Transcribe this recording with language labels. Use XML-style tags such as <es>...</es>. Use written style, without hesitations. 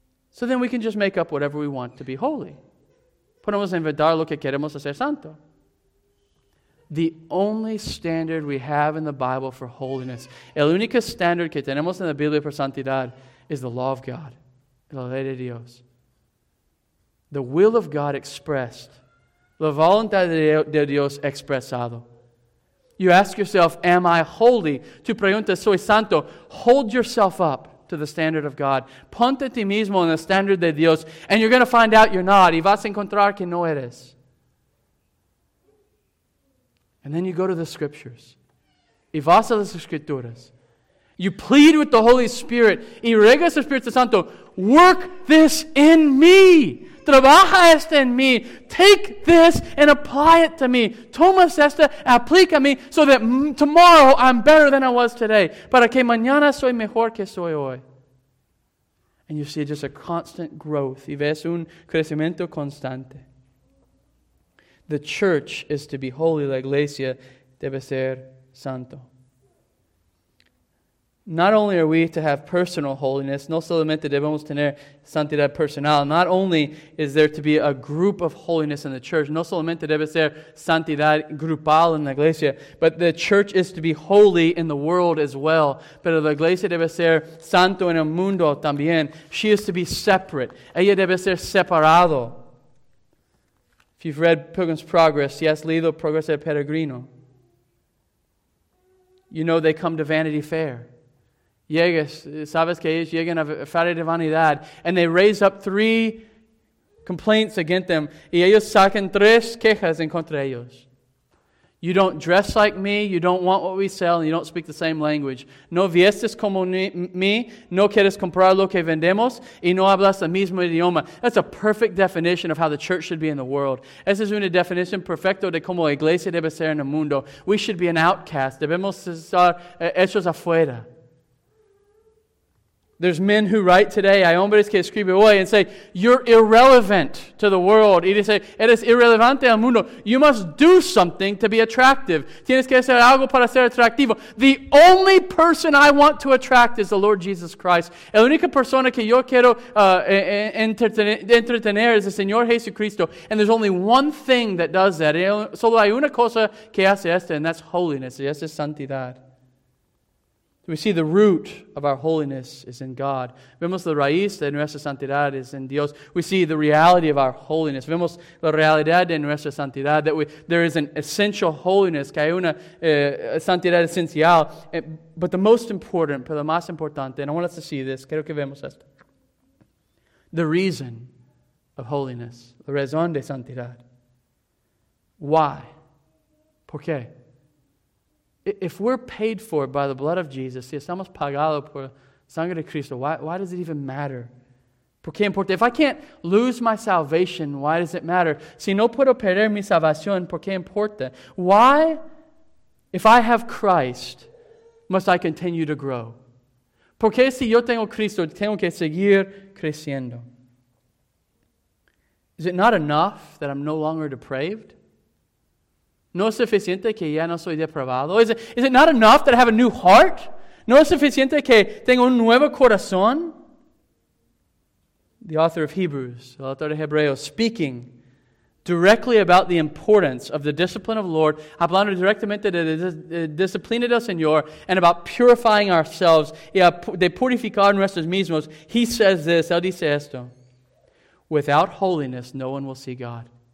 <en>So then we can just make up whatever we want to be holy.</en> <es>Podemos inventar lo que queremos hacer santo.</es> <en>The only standard we have in the Bible for holiness,</en> <es>el único standard que tenemos en la Biblia por santidad,</es> <en>is the law of God,</en> <es>la ley de Dios.</es> <en>The will of God expressed,</en> <es>la voluntad de Dios expresado.</es> <en>You ask yourself, am I holy?</en> <es>Tu pregunta, soy santo.</es> <en>Hold yourself up. to the standard of God.</en> <es>Ponte a ti mismo en el standard de Dios.</es> <en>And you're going to find out you're not.</en> <es>Y vas a encontrar que no eres.</es> <en>And then you go to the Scriptures.</en> <es>Y vas a las Escrituras.</es> <en>You plead with the Holy Spirit.</en> <es>Y ruegas al Espíritu Santo.</es> <en>Work this in me.</en> <es>Trabaja esto en mí.</es> <en>Take this and apply it to me.</en> <es>Toma esto, aplica a mí</es> <en>so that tomorrow I'm better than I was today.</en> <es>Para que mañana soy mejor que soy hoy.</es> <en>And you see just a constant growth.</en> <es>Y ves un crecimiento constante.</es> <en>The church is to be holy.</en> <es>La iglesia debe ser santo.</es> <en>Not only are we to have personal holiness,</en> <es>no solamente debemos tener santidad personal,</es> <en>not only is there to be a group of holiness in the church,</en> <es>no solamente debe ser santidad grupal en la iglesia,</es> <en>but the church is to be holy in the world as well.</en> <es>Pero la iglesia debe ser santo en el mundo también.</es> <en>She is to be separate.</en> <es>Ella debe ser separado.</es> <en>If you've read Pilgrim's Progress,</en> <es>si has leído Progreso del Peregrino,</es> <en>you know they come to Vanity Fair.</en> <es>Llegas, sabes que ellos llegan a Feria de Vanidad,</es> <en>and they raise up 3 complaints against them,</en> <es>y ellos sacan 3 quejas en contra ellos.</es> <en>You don't dress like me, you don't want what we sell, and you don't speak the same language.</en> <es>No vistes como mí, no quieres comprar lo que vendemos, y no hablas el mismo idioma.</es> <en>That's a perfect definition of how the church should be in the world.</en> <es>Esa es una definición perfecta de cómo la iglesia debe ser en el mundo.</es> <en>We should be an outcast.</en> <es>Debemos estar hechos afuera.</es> <en>There's men who write today,</en> <es>hay hombres que escriben hoy,</es> <en>and say, you're irrelevant to the world.</en> <es>Y dice, eres irrelevante al mundo.</es> <en>You must do something to be attractive.</en> <es>Tienes que hacer algo para ser atractivo.</es> <en>The only person I want to attract is the Lord Jesus Christ.</en> <es>La única persona que yo quiero entretener es el Señor Jesucristo.</es> <en>And there's only one thing that does that.</en> <es>Solo hay una cosa que hace esto,</es> <en>and that's holiness.</en> <es>Y esa es santidad.</es> <en>We see the root of our holiness is in God.</en> <es>Vemos la raíz de nuestra santidad es en Dios.</es> <en>We see the reality of our holiness.</en> <es>Vemos la realidad de nuestra santidad,</es> <en>that there is an essential holiness,</en> <es>que hay una santidad esencial.</es> <en>But the most important,</en> <es>pero lo más importante,</es> <en>and I want us to see this,</en> <es>quiero que vemos esto.</es> <en>The reason of holiness,</en> <es>la razón de santidad. Why? ¿Por qué?</es> <en>If we're paid for by the blood of Jesus,</en> <es>si estamos pagados por sangre de Cristo,</es> <en>why does it even matter?</en> <es>¿Por qué importa?</es> <en>If I can't lose my salvation, why does it matter?</en> <es>Si no puedo perder mi salvación, ¿por qué importa?</es> <en>Why, if I have Christ, must I continue to grow?</en> <es>¿Por qué si yo tengo Cristo, tengo que seguir creciendo?</es> <en>Is it not enough that I'm no longer depraved?</en> <es>¿No es suficiente que ya no soy depravado?</es> <en>Is it not enough that I have a new heart?</en> <es>¿No es suficiente que tengo un nuevo corazón?</es> <en>The author of Hebrews,</en> <es>el autor de Hebreos,</es> <en>speaking directly about the importance of the discipline of the Lord,</en> <es>hablando directamente de la disciplina del Señor,</es> <en>and about purifying ourselves,</en> <es>y de purificar nuestros mismos,</es> <en>he says this,</en> <es>él dice esto,</es> <en>without holiness, no one will see God.</en>